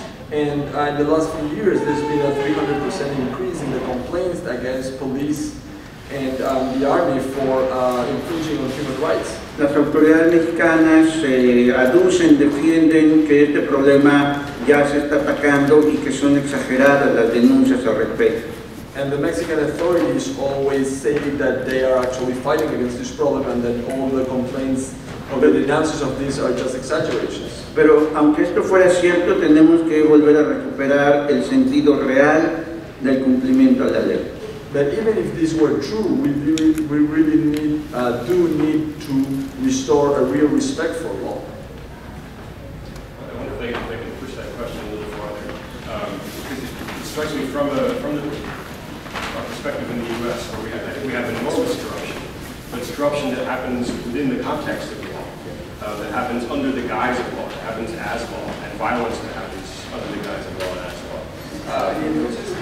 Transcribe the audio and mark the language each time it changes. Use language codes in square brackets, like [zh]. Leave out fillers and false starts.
[en] And in the last few years there's been a 300% increase in the complaints against police and the army for infringing on human rights. [es] Las autoridades mexicanas aducen, defienden que este problema ya se está atacando y que son exageradas las denuncias al respecto. [en] And the Mexican authorities always say that they are actually fighting against this problem and that all the complaints or the denounces of these are just exaggerations. [es] Pero aunque esto fuera cierto, tenemos que volver a recuperar el sentido real del cumplimiento a la ley. [en] That even if this were true, we really need to restore a real respect for law. I wonder if they can push that question a little farther. Because it strikes me from our perspective in the U.S., where we have enormous corruption, but it's corruption that happens within the context of law, that happens under the guise of law, that happens as law, and violence that happens under the guise of law and as law.